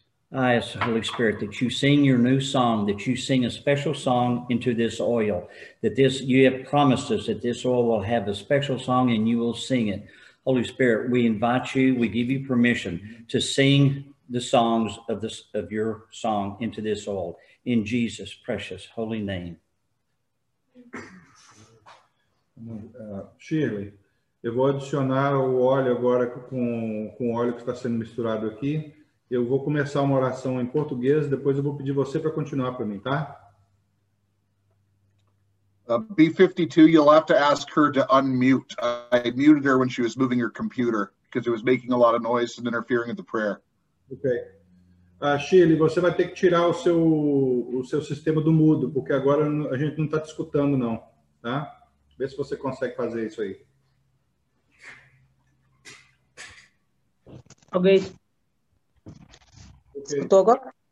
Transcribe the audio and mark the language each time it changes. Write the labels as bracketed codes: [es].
[en] I ask the Holy Spirit that you sing your new song, that you sing a special song into this oil, that this you have promised us that this oil will have a special song and you will sing it. Holy Spirit, we invite you, we give you permission to sing the songs of your song into this oil. In Jesus' precious holy name. [pt] Shirley, eu vou adicionar o óleo agora com o óleo que está sendo misturado aqui. Eu vou começar uma oração em português, depois eu vou pedir você para continuar para mim, tá? [en] B52, you'll have to ask her to unmute. I muted her when she was moving her computer because it was making a lot of noise and interfering with the prayer. Okay. [pt] Shirley, você vai ter que tirar o seu sistema do mudo, porque agora a gente não está te escutando, não, tá? Vê se você consegue fazer isso aí. Ok. Escutou agora?